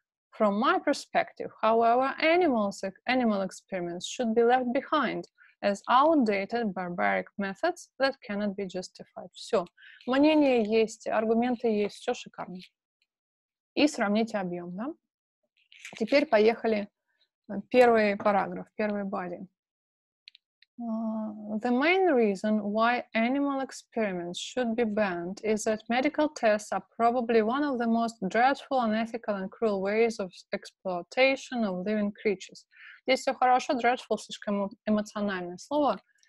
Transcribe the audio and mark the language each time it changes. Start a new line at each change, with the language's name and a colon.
English: From my perspective, however, animal experiments should be left behind as outdated barbaric methods that cannot be justified.
Russian: Все. Мнение есть, аргументы есть, все шикарно. И сравните объем, да? Теперь поехали. Первый параграф, первый body.
English: The main reason why animal experiments should be banned is that medical tests are probably one of the most dreadful, unethical and cruel ways of exploitation of living creatures.
Russian: Здесь все хорошо, dreadful — слишком эмоциональное слово.